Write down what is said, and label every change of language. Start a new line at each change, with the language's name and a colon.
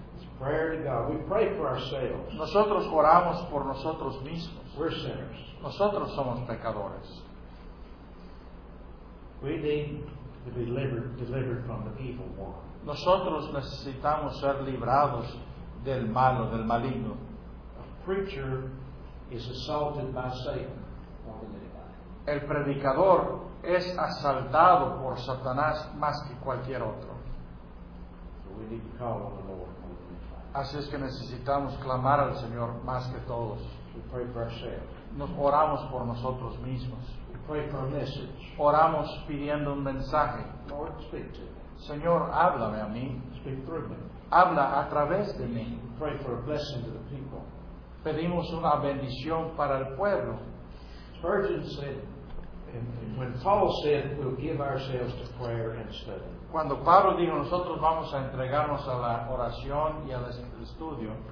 English: It's prayer to God. We pray for ourselves.
Spanish: Nosotros oramos por nosotros mismos.
English: We're sinners.
Spanish: Nosotros somos pecadores.
English: We need to be delivered from the evil one.
Spanish: Nosotros necesitamos ser librados del malo, del maligno.
English: A preacher is assaulted by Satan.
Spanish: El predicador es asaltado por Satanás más que cualquier otro.
English: So we need to call on the Lord.
Spanish: Así es que necesitamos clamar al Señor más que todos.
English: We pray for ourselves.
Spanish: Nos oramos por nosotros mismos.
English: We pray for a message.
Spanish: Oramos pidiendo un mensaje.
English: Lord, speak to me.
Spanish: Señor, háblame a mí.
English: Speak through me.
Spanish: Habla a través de mí.
English: Pray for a blessing to the people.
Spanish: Pedimos una bendición para el pueblo.
English: Spurgeon said, when Paul said, we'll give ourselves to prayer and study.
Spanish: Cuando Pablo dijo, nosotros vamos a entregarnos a la oración y al estudio.